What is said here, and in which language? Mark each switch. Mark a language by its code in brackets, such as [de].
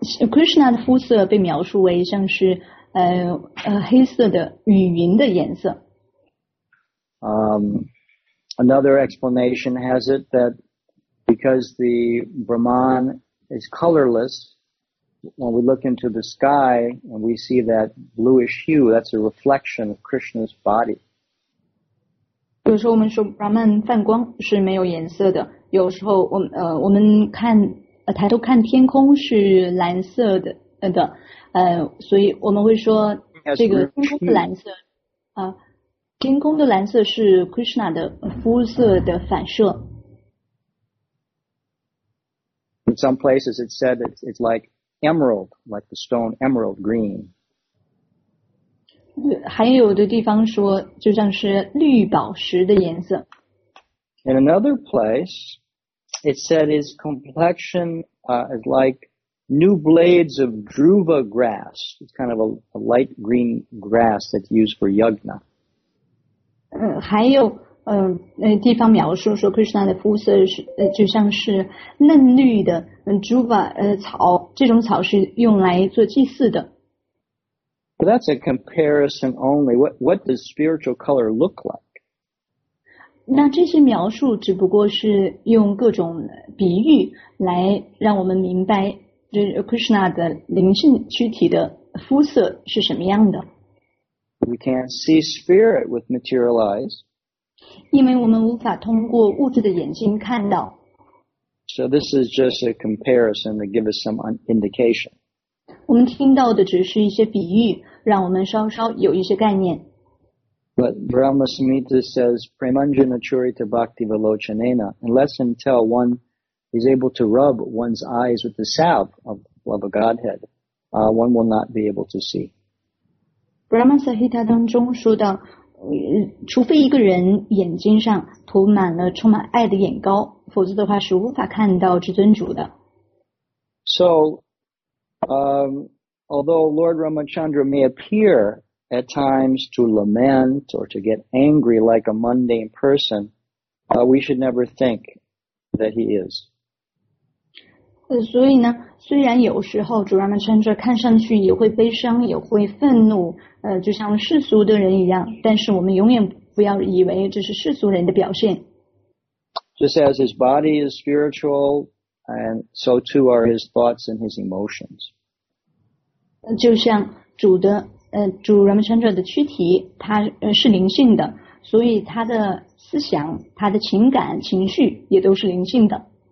[zh] Krishna 的肤色被描述为像是黑色的雨云的颜色。 [en] Another explanation has it that because the Brahman is colorless,When we look into the sky and we see that bluish hue, that's a reflection of Krishna's body. [zh] 有时候我们说 Brahman 泛光是没有颜色的，有时候我们看抬头看天空是蓝色的所以我们会说这个天空的蓝色天空的蓝色是 Krishna 的肤色的反射。 [en] In some places it's said it's like emerald, like the stone emerald green. [zh] 还有的地方说就像是绿宝石的颜色。 [en] In another place, it said his complexion, is like new blades of dhruva grass. It's kind of a light green grass that's used for yajna. [zh] 还有地方描述说 Krishna 的肤色就像是嫩绿的 dhruva 草，这种草是用来做祭祀的。 [en] But that's a comparison only. What does spiritual color look like? [zh] 那这些描述只不过是用各种比喻来让我们明白 Krishna 的灵性躯体的肤色是什么样的。 [en] We can't see spirit with material eyes. [zh] 因为我们无法通过物质的眼睛看到。 [en] So this is just a comparison to give us some indication. [zh] 我们听到的只是一些比喻，让我们稍稍有一些概念。 [en] But Brahma Samhita says, [sa] Premanjana Churita Bhakti Valochanena, [en] unless until one is able to rub one's eyes with the salve of love of Godhead, one will not be able to see. [zh] Brahma Samhita 当中说到，除非一个人眼睛上涂满了充满爱的眼膏，否则的话是无法看到至尊主的。 [en] So,although Lord Ramachandra may appear at times to lament or to get angry like a mundane person, we should never think that he is. [zh] 所以呢，虽然有时候主 Ramachandra 看上去也会悲伤，也会愤怒，就像世俗的人一样，但是我们永远不要以为这是世俗人的表现。 [en] Just as his body is spiritual,And so too are his thoughts and his emotions. [zh] 就像主的主 Ramachandra 的躯体他是灵性的，所以他的思想他的情感情绪也都是灵性的。